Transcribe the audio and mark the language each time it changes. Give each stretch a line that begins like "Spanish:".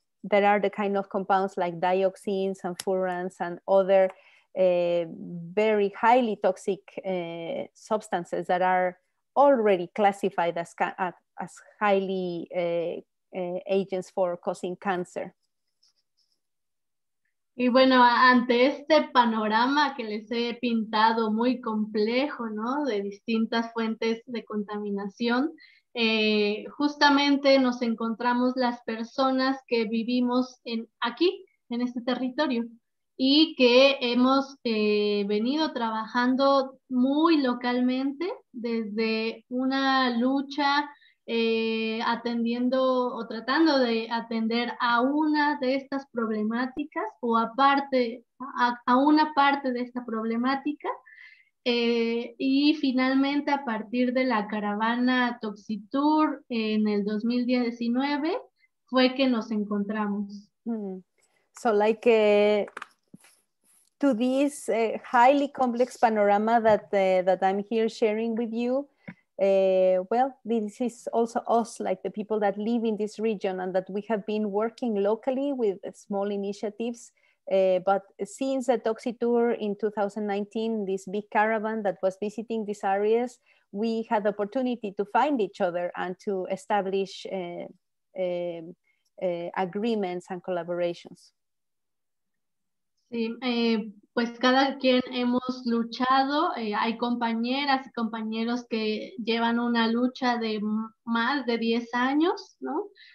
English: that are the kind of compounds like dioxins and furans and other very highly toxic substances that are already classified as highly agents for causing cancer.
Spanish: Y bueno, ante este panorama que les he pintado muy complejo, ¿no? De distintas fuentes de contaminación, justamente nos encontramos las personas que vivimos aquí, en este territorio, y que hemos venido trabajando muy localmente desde una lucha atendiendo o tratando de atender a una de estas problemáticas o a una parte de esta problemática y finalmente a partir de la caravana Toxitour en el 2019 fue que nos encontramos.
English: So like to this highly complex panorama that I'm here sharing with you. Well, this is also us, like the people that live in this region and that we have been working locally with small initiatives. But since the Toxitour in 2019, this big caravan that was visiting these areas, we had the opportunity to find each other and to establish agreements and collaborations.
Spanish: Sí, pues cada quien hemos luchado, hay compañeras y compañeros que llevan una lucha de más de 10 años, ¿no?